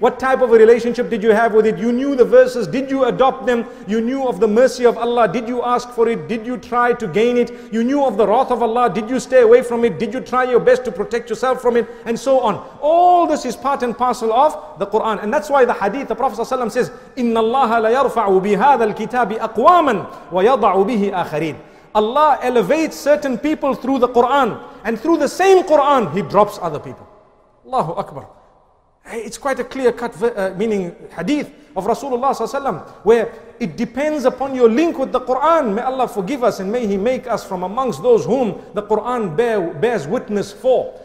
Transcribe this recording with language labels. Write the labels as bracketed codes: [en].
[en] What type of a relationship did you have with it? You knew the verses. Did you adopt them? You knew of the mercy of Allah. Did you ask for it? Did you try to gain it? You knew of the wrath of Allah. Did you stay away from it? Did you try your best to protect yourself from it? And so on. All this is part and parcel of the Quran. And that's why the hadith, the Prophet ﷺ says, [ar] إِنَّ اللَّهَ لَيَرْفَعُ بِهَذَا الْكِتَابِ أَقْوَامًا وَيَضَعُ بِهِ آخَرِينَ. [en] Allah elevates certain people through the Quran, and through the same Quran, He drops other people. Allahu Akbar. Hey, it's quite a clear cut meaning hadith of Rasulullah sallallahu alaihi wasallam, where it depends upon your link with the Quran. May Allah forgive us, and may He make us from amongst those whom the Quran bears witness for.